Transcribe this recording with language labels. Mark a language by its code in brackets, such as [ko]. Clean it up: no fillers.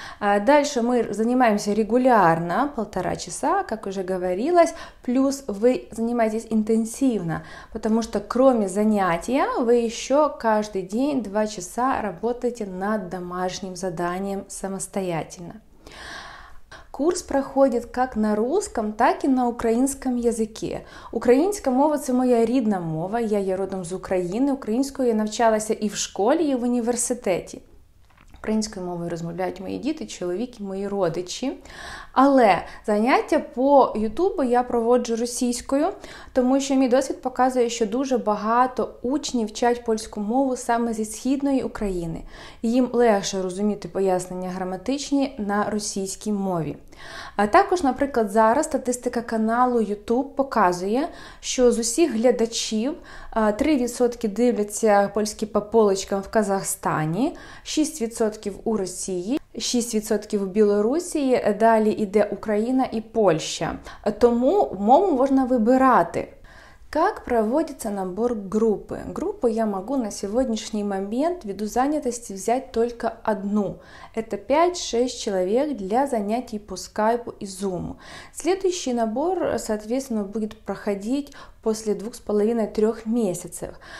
[ru] Дальше мы занимаемся регулярно, 1,5 часа, как уже говорилось, плюс вы занимаетесь интенсивно, потому что кроме занятия вы еще каждый день 2 часа работаете над домашним заданием самостоятельно. Курс проходит как на русском, так и на украинском языке. [uk] Українська мова – це моя рідна мова, я є родом з України. Українською я навчалася і в школі, і в університеті. Українською мовою розмовляють мої діти, чоловік і мої родичі. Але заняття по Ютубу я проводжу російською, тому що мій досвід показує, що дуже багато учнів вчать польську мову саме зі Східної України. Їм легше розуміти пояснення граматичні на російській мові. А також, наприклад, зараз статистика каналу YouTube показує, що з усіх глядачів 3% дивляться польські паполочки в Казахстані, 6% у Росії, 6% у Білорусі, далі йде Україна і Польща. Тому мову можна вибирати. [ru] Как проводится набор группы? Группу я могу на сегодняшний момент ввиду занятости взять только одну. Это 5-6 человек для занятий по скайпу и зуму. Следующий набор, соответственно, будет проходить после 2,5-3 месяцев.